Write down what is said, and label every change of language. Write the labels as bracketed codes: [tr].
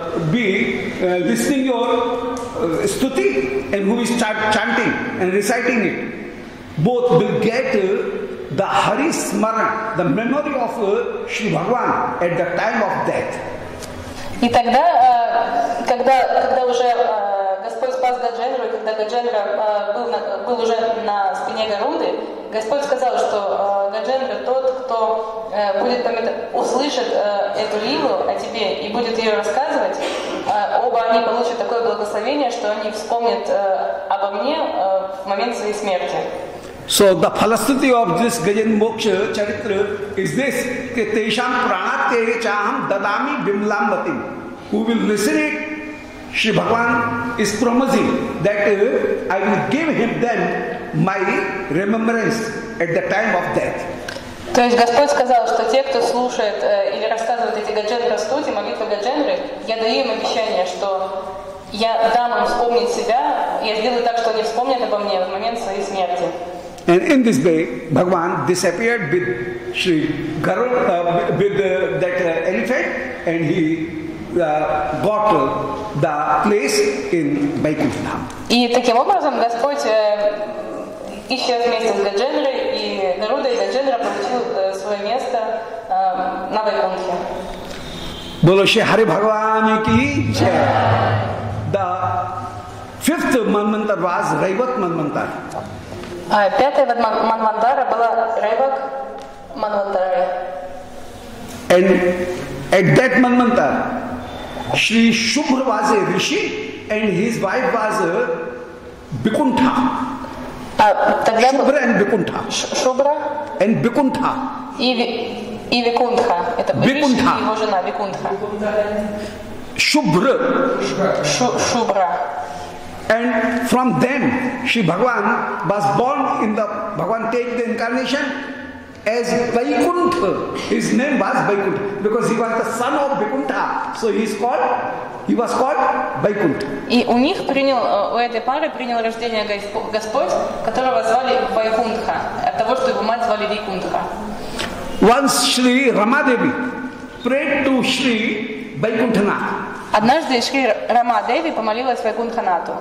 [en] listening your stuti, and who will start chanting and reciting it, both will get the Hari Smaran, the memory of Shri Bhagavan at the time of death. [ru] И тогда, когда уже Господь спас Гаджендру, и когда Гаджендра был уже на спине Гаруды, Господь сказал, что Гаджендра тот, кто будет услышит эту лилу о тебе и будет ее рассказывать, оба они получат такое благословение, что они вспомнят обо мне в момент своей смерти. [en] So the philosophy of this Gajendra Moksha Charitra is this, ke tesham pranat ke chaham dadami bimlam vati. Who will listen it? Shri Bhagavan is promising that I will give him then my remembrance at the time of death. [ru] То есть Господь сказал, что те, кто слушает или рассказывает эти Гаджендра Стути, молитвы Гаджендры, я даю им обещание, что я дам им вспомнить себя, я сделаю так, что они вспомнят обо мне в момент своей смерти. [en] And in this way, Bhagavan disappeared with Shri Garuda, with that elephant, and he got the place in Vaikuntha Dham. [ru] И таким образом Господь исчез вместе с Гаджендрой, и Гаруда и Гаджендра получил свое место на Вайкунтхе. [hi] Боло Шри Хари Бхагаван ки джай. [en] The fifth манмантар was Raivat манмантар. [ru] Пятая манмантара была Райвак манмантара. [en] And at that манмантар, Shri Shubhra was a rishi, and his wife was a Vaikuntha. Shubhra and Vaikuntha. Shubhra. And Vaikuntha. [ru] И Vaikuntha. Это Vaikuntha. Его жена Vaikuntha. [en] Shubhra. Shubhra. And from them, Shri Bhagavan was born in the, Bhagavan take the incarnation as Vaikuntha. His name was Vaikuntha because he was the son of Vaikuntha. So he was called Vaikuntha. [ru] И у них принял, у этой пары принял рождение Господь, которого звали Vaikuntha, от того, что его мать звали Vaikuntha. [en] Once Shri Ramadevi prayed to Shri Vaikunthana. [ru] Однажды Шри Рама Деви помолилась Вайкунтханату.